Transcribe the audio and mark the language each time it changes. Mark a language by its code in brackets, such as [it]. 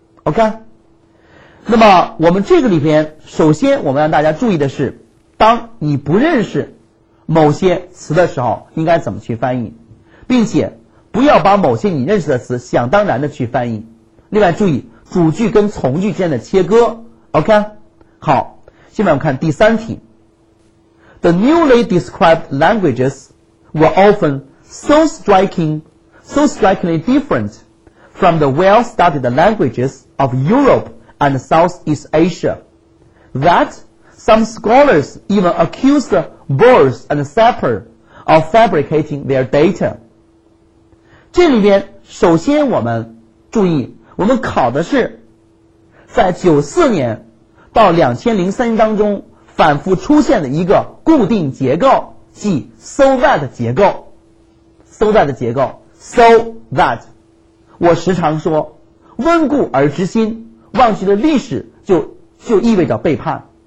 [zh] OK， 那么我们这个里边首先我们让大家注意的是，当你不认识某些词的时候应该怎么去翻译，并且不要把某些你认识的词想当然的去翻译。另外注意主句跟从句之间的切割。OK， 好，现在我们看第三题。 [en] The newly described languages were often so strikingly different from the well-studied languages of Europe and Southeast Asia that some scholars even accused Boris and Sapper of fabricating their data. [zh] 这里边首先我们注意，我们考的是在94年到2003年当中反复出现的一个固定结构，即 so that 结构。 so that 结构 so that 我时常说温故而知新，忘记了历史就意味着背叛。